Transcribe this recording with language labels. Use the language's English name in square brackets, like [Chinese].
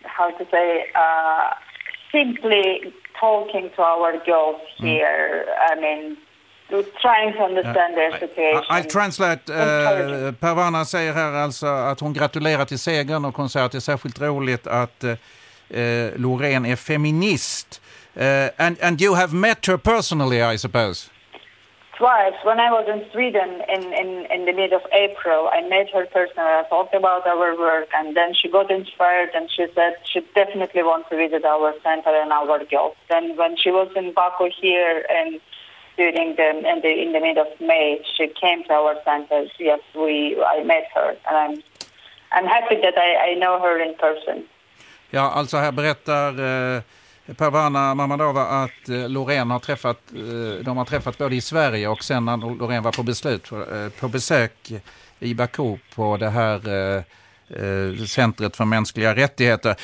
[English] She was simply talking to our girls here. I mean, trying to understand their situation. I'll translate. [Swedish] Pervana säger här alltså att hon gratulerar till segern och hon säger att det är särskilt roligt att Loreen är feminist, [English] and you have met her personally, I suppose. Twice, when I was in Sweden in the mid of April, I met her personally. I talked about our work, and then she got inspired, and she said she definitely wants to visit our center and our girls. Then when she was in Baku here and during in the mid of May, she came to our center. Yes, I met her, and I'm happy that I know her in person. [Swedish] Ja, alltså här berättar Pervana Mamadova att Loreen har träffat, de har träffat både i Sverige och sen när Loreen var på besök i Baku på det här centret för mänskliga rättigheter.